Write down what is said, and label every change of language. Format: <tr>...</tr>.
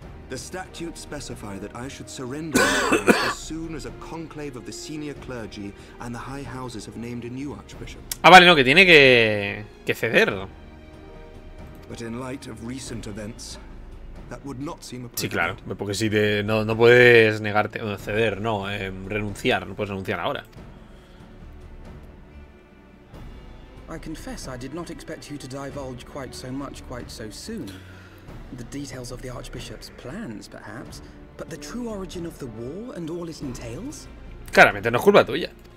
<en>The statutes specify that I should surrender as soon as a conclave of the senior clergy and the high houses have named a new archbishop.</en> <es>Ah, vale, no, que tiene que ceder.</es> <en>But in light of recent events, that would not seem appropriate.</en> <es>Sí, claro, porque si te, no puedes negarte, ceder, no, renunciar, no puedes renunciar ahora.</es> <en>I confess I did not expect you to divulge quite so much quite so soon. The details of the archbishop's plans, perhaps, but the true origin of the war and all it entails?</en> <es>Claramente no es culpa tuya.</es>